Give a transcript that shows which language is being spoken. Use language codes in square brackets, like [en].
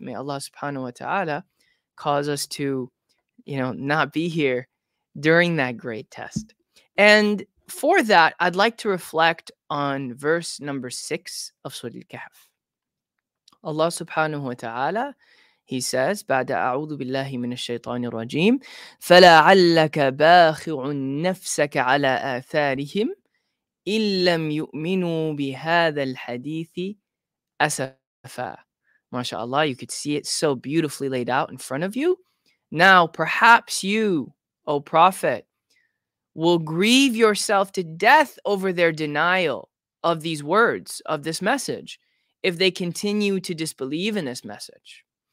[en] May Allah subhanahu wa ta'ala cause us to, you know, not be here during that great test. And for that, I'd like to reflect on verse number 6 of Surah Al-Kahf. Allah subhanahu wa ta'ala, He says, [ar] بعد أعوذ بالله من الشيطان الرجيم فلعلك باخع نفسك على آثارهم إن لم يؤمنوا بهذا الحديث أسفا. [en] MashaAllah, you could see it so beautifully laid out in front of you. Now, perhaps you, O Prophet, will grieve yourself to death over their denial of these words, of this message, if they continue to disbelieve in this message.